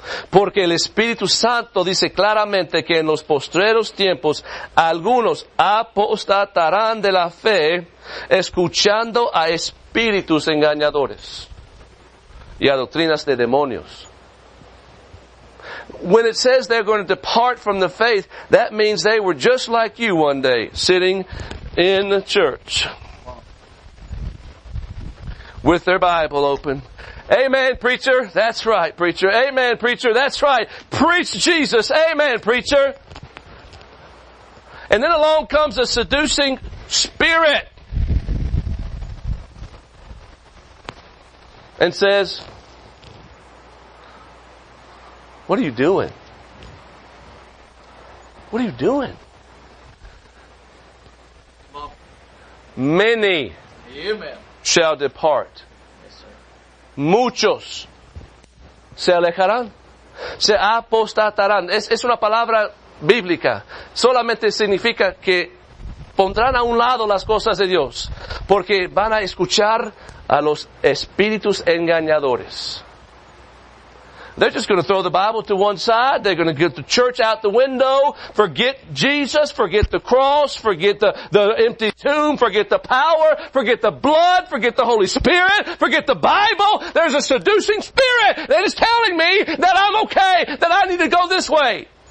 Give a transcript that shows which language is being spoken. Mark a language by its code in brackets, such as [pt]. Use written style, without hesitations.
[es] Porque el Espíritu Santo dice claramente que en los postreros tiempos algunos apostatarán de la fe escuchando a espíritus engañadores y a doctrinas de demonios. [en] When it says they're going to depart from the faith, that means they were just like you one day, sitting in the church with their Bible open. Amen, preacher. That's right, preacher. Amen, preacher. That's right. Preach Jesus. Amen, preacher. And then along comes a seducing spirit and says, what are you doing? What are you doing? Many Amen. Shall depart. Yes, [es] sir. Muchos se alejarán. Se apostatarán. Es una palabra bíblica. Solamente significa que pondrán a un lado las cosas de Dios. Porque van a escuchar a los espíritus engañadores. [en] They're just going to throw the Bible to one side. They're going to get the church out the window. Forget Jesus. Forget the cross. Forget the empty tomb. Forget the power. Forget the blood. Forget the Holy Spirit. Forget the Bible. There's a seducing spirit that is telling me that I'm okay, that I need to go this way.